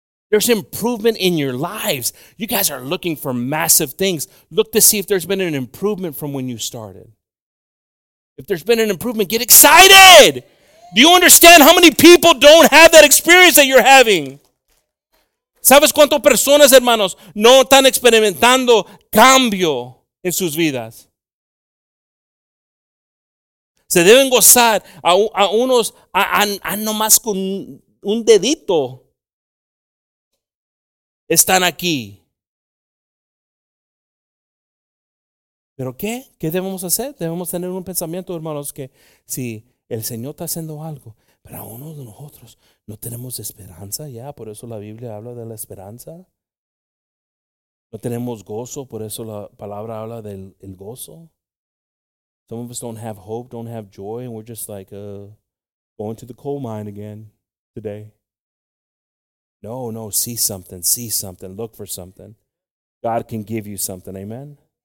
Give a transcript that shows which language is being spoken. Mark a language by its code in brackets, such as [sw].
[en] There's improvement in your lives. You guys are looking for massive things. Look to see if there's been an improvement from when you started. If there's been an improvement, get excited. Do you understand how many people don't have that experience that you're having? [es] ¿Sabes cuántas personas, hermanos, no están experimentando cambio en sus vidas? Se deben gozar a nomás con un dedito. Están aquí. ¿Pero qué? ¿Qué debemos hacer? Debemos tener un pensamiento, hermanos, que si el Señor está haciendo algo, pero a uno de nosotros no tenemos esperanza ya, por eso la Biblia habla de la esperanza. No tenemos gozo, por eso la palabra habla del el gozo. [en] Some of us don't have hope, don't have joy, and we're just like going to the coal mine again today. No, see something, look for something. God can give you something, amen?